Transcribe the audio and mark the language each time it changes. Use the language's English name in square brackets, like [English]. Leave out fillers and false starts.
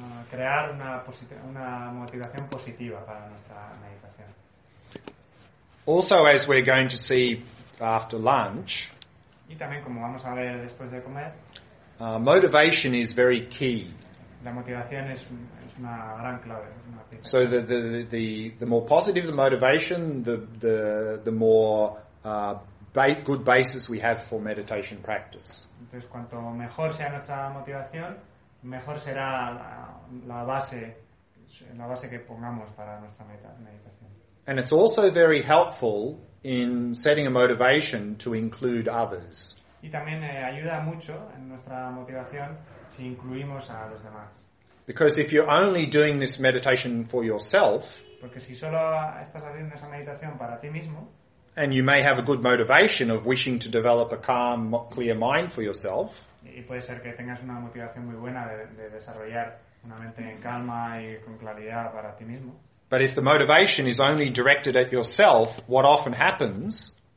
[Spanish] Crear una motivación positiva para nuestra meditación. [English] Also, as we're going to see after lunch, [Spanish] y también como vamos a ver después de comer, [English] motivation is very key. [Spanish] La motivación es una gran clave. Es una clave. [English] So the more positive the motivation, the more good basis we have for meditation practice. [Spanish] Entonces, cuanto mejor sea nuestra motivación, mejor será la base que pongamos para nuestra meditación. [English] And it's also very helpful in setting a motivation to include others. [Spanish] Y también ayuda mucho en nuestra motivación si incluimos a los demás. [English] Because if you're only doing this meditation for yourself, [Spanish] porque si solo estás haciendo esa meditación para ti mismo, [English] and you may have a good motivation of wishing to develop a calm, clear mind for yourself, [Spanish] y puede ser que tengas una motivación muy buena de desarrollar una mente en calma y con claridad para ti mismo. [English] But if the motivation is only directed at yourself, what often happens?